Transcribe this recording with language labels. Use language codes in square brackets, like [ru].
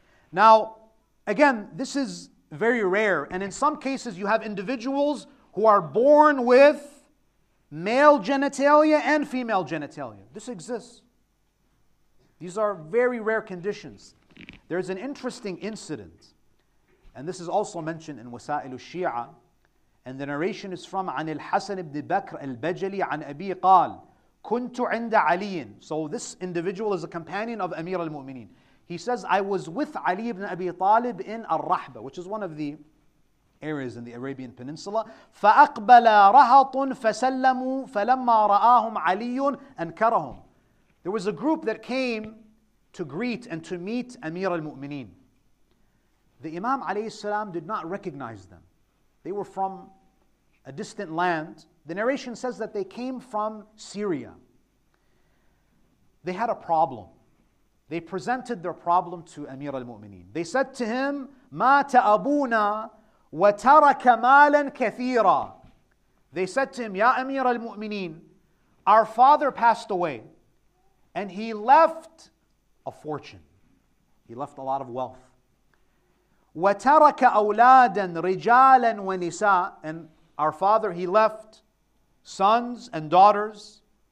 [en] Now, again, this is very rare. And in some cases, you have individuals who are born with male genitalia and female genitalia. This exists. These are very rare conditions. There's an interesting incident, and this is also mentioned in Wasa'il al-Shia. And the narration is from [ar] عن الحسن بن بكر البجلي عن أبي قال كنت عند علي. [en] So this individual is a companion of Amir al-Mu'mineen. He says, I was with Ali ibn Abi Talib in Al-Rahba, which is one of the areas in the Arabian Peninsula. [ar] فأقبل رهط فسلموا فلما رآهم علي أنكرهم. [en] There was a group that came to greet and to meet Amir al-Mu'mineen. The Imam alayhi salam did not recognize them. They were from a distant land. The narration says that they came from Syria. They had a problem. They presented their problem to Amir al-Mu'mineen. They said to him, [ar] مَا تَأَبُونَا وَتَرَكَ مَالًا كَثِيرًا. [en] They said to him, Ya Amir al-Mu'mineen, our father passed away and he left a fortune. He left a lot of wealth. [ar] وَتَرَكَ أَوْلَادًا رِجَالًا وَنِسَاءً. [en] And our father, he left sons and daughters.